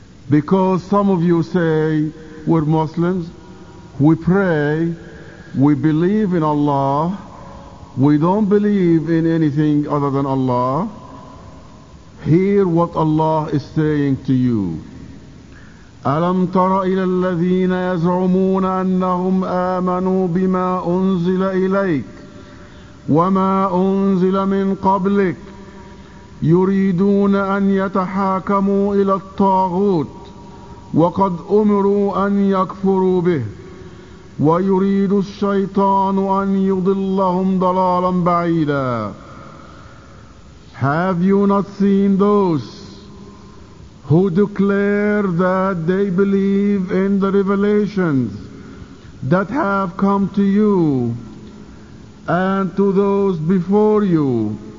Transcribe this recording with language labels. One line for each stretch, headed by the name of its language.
English: Because some of you say, we're Muslims, we pray, we believe in Allah, we don't believe in anything other than Allah. Hear what Allah is saying to you.
Arabic: أَلَمْ تَرَ إِلَى الَّذِينَ يَزْعُمُونَ أَنَّهُمْ آمَنُوا بِمَا أُنزِلَ إِلَيْكَ وَمَا أُنزِلَ مِنْ قَبْلِكَ يُرِيدُونَ أَنْ يَتَحَاكَمُوا إِلَى الطَّاغُوتِ وقد أمروا أن يكفروا به ويريد الشيطان أن يضلهم ضلالا بعيدا.
English: Have you not seen those who declare that they believe in the revelations that have come to you and to those before you,